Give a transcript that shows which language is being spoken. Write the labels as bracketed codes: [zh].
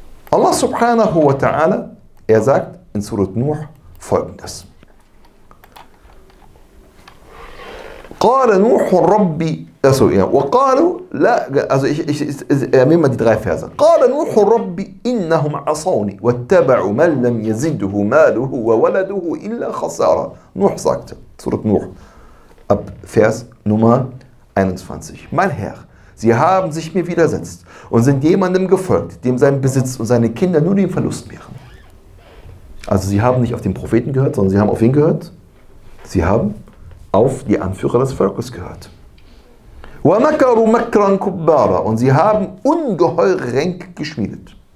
[de] Allah subhanahu wa ta'ala, er sagt in Surat Nuh folgendes. [ar] قَالَ نُوحُ رَبِّ [de] Also, ja, [ar] وَقَالُوا لَا [de] Also, ich nehme mal die 3 Verse. [ar] قَالَ نُوحُ رَبِّ إِنَّهُمْ عَصَوْنِ وَاتَّبَعُوا مَنْ لَمْ يَزِدُهُ مَالُهُ وَوَلَدُهُ إِلَّا خَسَارًا [de] Nuh sagte, Surat Nuh, ab Vers Nummer 21. Mein Herr, sie haben sich mir widersetzt und sind jemandem gefolgt, dem sein Besitz und seine Kinder nur den Verlust mehren. Also, sie haben nicht auf den Propheten gehört, sondern sie haben auf ihn gehört. Sie haben auf die Anführer des Volkes gehört. [ar] وَمَكَرُوا مَكْرًا كُبَّارًا [de] Und sie haben ungeheure Ränke geschmiedet.